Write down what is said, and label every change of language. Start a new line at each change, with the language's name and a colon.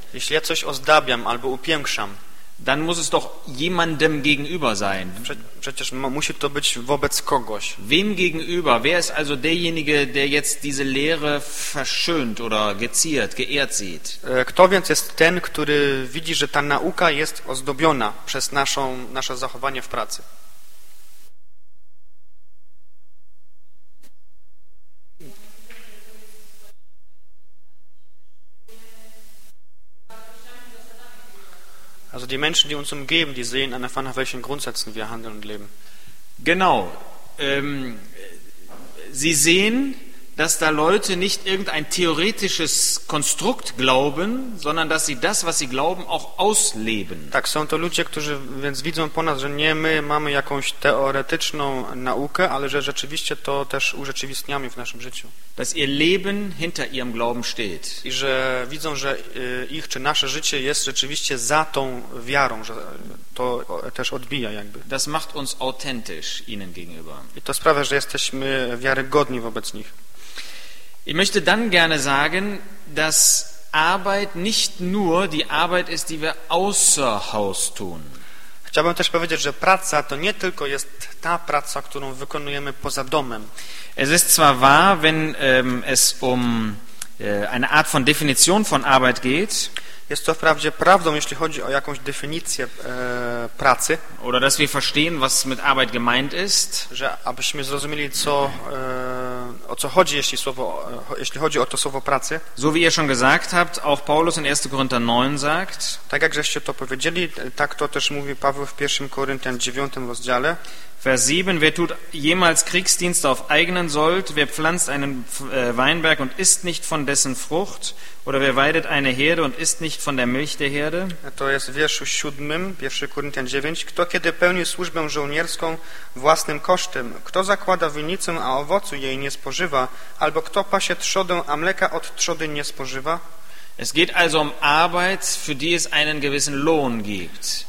Polish: jeśli ja coś ozdabiam albo upiększam,
German: dann muss es doch jemandem gegenüber sein.
Polish: Przecież musi to być wobec kogoś.
German: Wem gegenüber? Wer ist also derjenige, der jetzt diese Lehre verschönt oder geziert, geehrt sieht?
Polish: Kto więc jest ten, który widzi, że ta nauka jest ozdobiona przez nasze zachowanie w pracy?
German: Also die Menschen, die uns umgeben, die sehen einfach, nach welchen Grundsätzen wir handeln und leben. Genau. Sie sehen, dass da Leute nicht irgendein theoretisches Konstrukt glauben, sondern dass sie das, was sie glauben, auch ausleben.
Polish: Tak, są to ludzie, którzy więc widzą po nas, że nie my mamy jakąś teoretyczną naukę, ale że rzeczywiście to też urzeczywistniamy w naszym życiu.
German: Dass ihr Leben hinter ihrem Glauben steht.
Polish: I że widzą, że ich czy nasze życie jest rzeczywiście za tą wiarą, że to też odbija jakby.
German: Das macht uns authentisch ihnen gegenüber.
Polish: I to sprawia, że jesteśmy wiarygodni wobec nich.
German: Ich möchte dann gerne sagen, dass Arbeit nicht nur die Arbeit ist, die wir außer Haus tun.
Polish: Chciałbym też powiedzieć, że praca to nie tylko jest ta praca, którą wykonujemy poza domem.
German: Es ist zwar wahr, wenn es um eine Art von Definition von Arbeit geht.
Polish: Jest to wprawdzie prawdą, jeśli chodzi o jakąś definicję pracy.
German: Oder dass wir verstehen, was mit Arbeit gemeint ist.
Polish: Że abyśmy zrozumieli, co o co chodzi, jeśli chodzi o to słowo pracy.
German: So wie ihr schon gesagt habt, auch Paulus in 1. Korinther 9 sagt.
Polish: Tak jak żeście to powiedzieli, tak to też mówi Paweł w 1. Korinthian 9 rozdziale.
German: Vers 7, wer tut jemals Kriegsdienst auf eigenen Sold, wer pflanzt einen Weinberg und isst nicht von dessen Frucht, oder wer weidet eine Herde und isst nicht von der Milch der Herde?
Polish: To jest w wierszu 7, 1 Korinthian 9, kto kiedy pełni służbę żołnierską własnym kosztem, kto zakłada winnicę, a owocu jej nie spożywa, albo kto pasie trzodę, a mleka od trzody nie spożywa?
German: Es geht also um Arbeit, für die es einen gewissen Lohn gibt.